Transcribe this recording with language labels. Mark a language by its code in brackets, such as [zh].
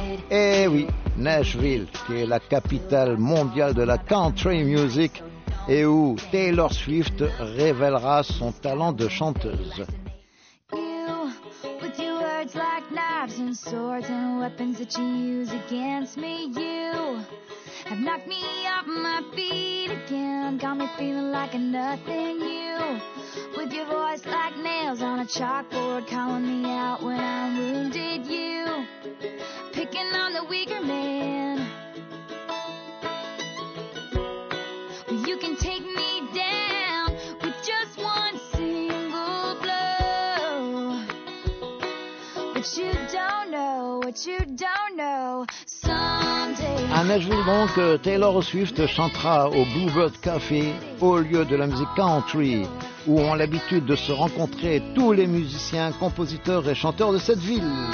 [fr] Et oui, Nashville, qui est la capitale mondiale de la country music, et où Taylor Swift révélera son talent de chanteuse. [en] You, with your words like knives and swords and weapons that you use against me, you have knocked me off my feet again, got me feeling like a nothing, you, with your voice like nails on a chalkboard, calling me out when I'm wounded, you, picking on the weaker man. You can take me down with just one single blow, but you don't know what you don't know. [fr] À Nashville donc, Taylor Swift chantera au Bluebird Café, au lieu de la musique country, où ont l'habitude de se rencontrer tous les musiciens, compositeurs et chanteurs de cette ville.